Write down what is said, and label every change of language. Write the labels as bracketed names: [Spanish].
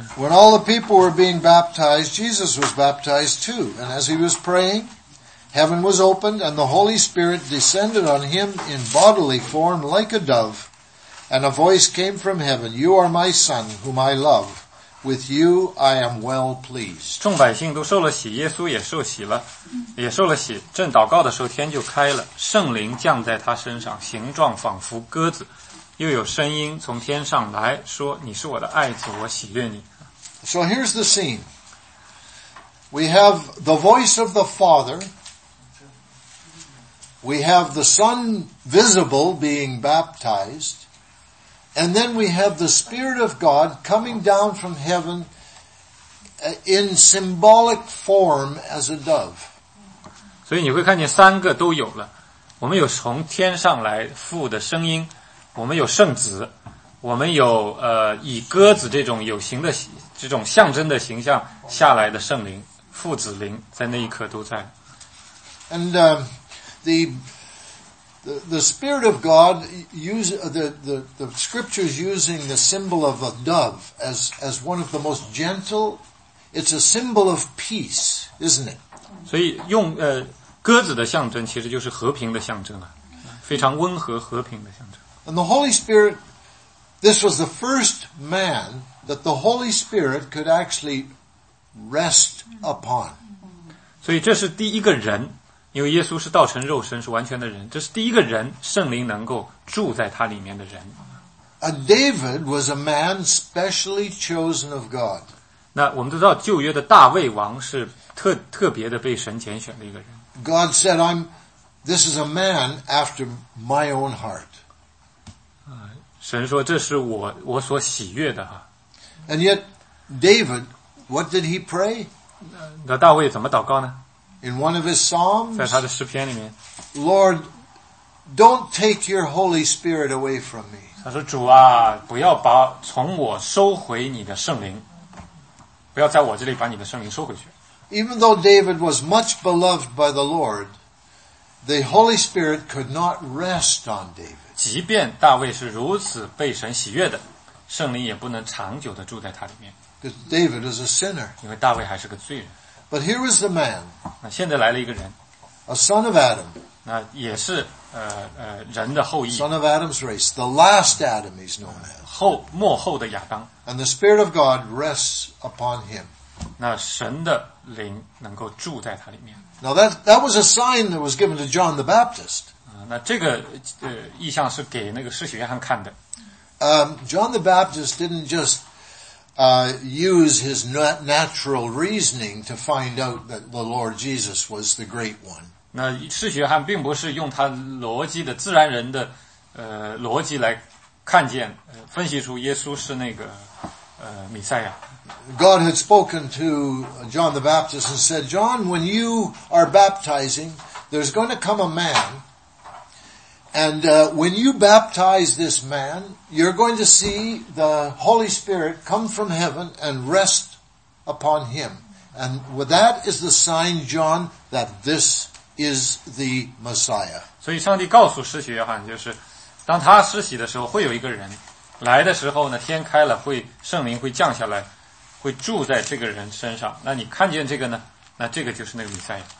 [English] When all the people were being baptized, Jesus was baptized too. And as he was praying, heaven was opened, and the Holy Spirit descended on him in bodily form like a dove. And a voice came from heaven, You are my son, whom I love. With you I am well pleased. [Chinese] 众百姓都受了洗，耶稣也受洗了，也受了洗。正祷告的时候，天就开了，圣灵降在他身上，形状仿佛鸽子。又有声音从天上来说，你是我的爱子，我喜悦你。 [English] So here's the scene. We have the voice of the Father. We have the Son visible being baptized. And then we have the Spirit of God coming down from heaven in symbolic form as a dove. [Chinese] 所以你会看见三个都有了。我们有从天上来父的声音，我们有圣子，我们有以鸽子这种有形的这种象征的形象下来的圣灵，父子灵在那一刻都在。 [English] And, The Spirit of God use the scriptures using the symbol of a dove as one of the most gentle. It's a symbol of peace, isn't it? [Chinese] 所以用鸽子的象征其实就是和平的象征了，非常温和和平的象征。 [English] And the Holy Spirit, this was the first man that the Holy Spirit could actually rest upon. [Chinese] 所以这是第一个人。因为耶稣是道成肉身，是完全的人，这是第一个人，圣灵能够住在他里面的人。 [English] A David was a man specially chosen of God. [Chinese] 那我们都知道，旧约的大卫王是特别的被神拣选的一个人。 [English] God said, "This is a man after my own heart." [Chinese] 神说这是我所喜悦的哈。 [English] And yet, David, what did he pray? [Chinese] 那大卫怎么祷告呢？ [English] In one of his psalms, [Chinese] 在他的诗篇里面 [English] Lord, don't take your Holy Spirit away from me. [Chinese] 他说主啊不要把从我收回你的圣灵不要在我这里把你的圣灵收回去 [English] Even though David was much beloved by the Lord, the Holy Spirit could not rest on David. [Chinese] 即便大卫是如此被神喜悦的圣灵也不能长久地住在他里面 [English] Because David is a sinner. [Chinese] 因为大卫还是个罪人 [English] But here was the man. [Chinese] 那现在来了一个人 [English] A son of Adam. [Chinese] 那也是人的后裔 [English] Son of Adam's race. The last Adam he's known as. [Chinese] 末后的亚当 [English] And the Spirit of God rests upon him. [Chinese] 那神的灵能够住在他里面 [English] Now that was a sign that was given to John the Baptist. [Chinese] 那这个意象是给那个施洗约翰看的 [English] John the Baptist didn't justuse his natural reasoning to find out that the Lord Jesus was the great one. [Chinese] 那施洗约翰并不是用他逻辑的自然人的逻辑来看见分析出耶稣是那个弥赛亚。 [English] God had spoken to John the Baptist and said, John, when you are baptizing, there's going to come a man. And when you baptize this man, you're going to see the Holy Spirit come from heaven and rest upon him. And that is the sign, John, that this is the Messiah. [Chinese] 所以上帝告诉施洗约翰，就是当他施洗的时候，会有一个人来的时候呢，天开了，会圣灵会降下来，会住在这个人身上。那你看见这个呢？那这个就是那个弥赛亚。